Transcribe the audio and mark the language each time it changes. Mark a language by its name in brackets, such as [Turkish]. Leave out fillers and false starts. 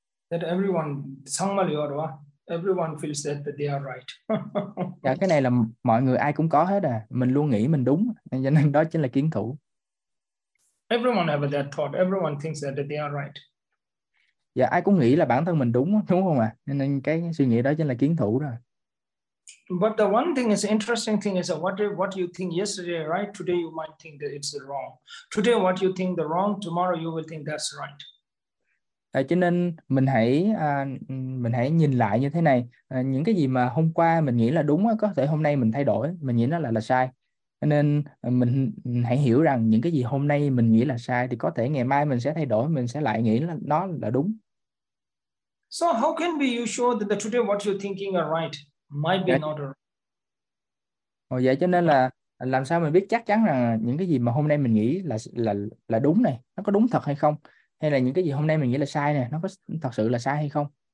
[English] That everyone, somebody or what? Everyone feels that they are right. [Vietnamese] Dạ, cái này là mọi người ai cũng có hết à. Mình luôn nghĩ mình đúng, cho nên đó chính là kiến thủ. [English] Everyone have that thought. Everyone thinks that they are right. [Vietnamese] Dạ, ai cũng nghĩ là bản thân mình đúng, đúng không ạ? À? Nên cái suy nghĩ đó chính là kiến thủ rồi. [English] But the one thing is interesting thing is what you think yesterday right, today you might think that it's wrong. Today what you think the wrong, tomorrow you will think that's right. [Vietnamese] Cho nên mình hãy nhìn lại như thế này, những cái gì mà hôm qua mình nghĩ là đúng có thể hôm nay mình thay đổi, mình nghĩ nó là sai. Nên mình hãy hiểu rằng những cái gì hôm nay mình nghĩ là sai thì có thể ngày mai mình sẽ thay đổi, mình sẽ lại nghĩ là nó là đúng. [English] So how can be you sure that the today what you're thinking are right might be not right? [Vietnamese] Vậy cho nên là làm sao mình biết chắc chắn rằng những cái gì mà hôm nay mình nghĩ là đúng này, nó có đúng thật hay không? Hay là những cái gì hôm nay mình nghĩ là sai nè, nó có thật sự là sai hay không?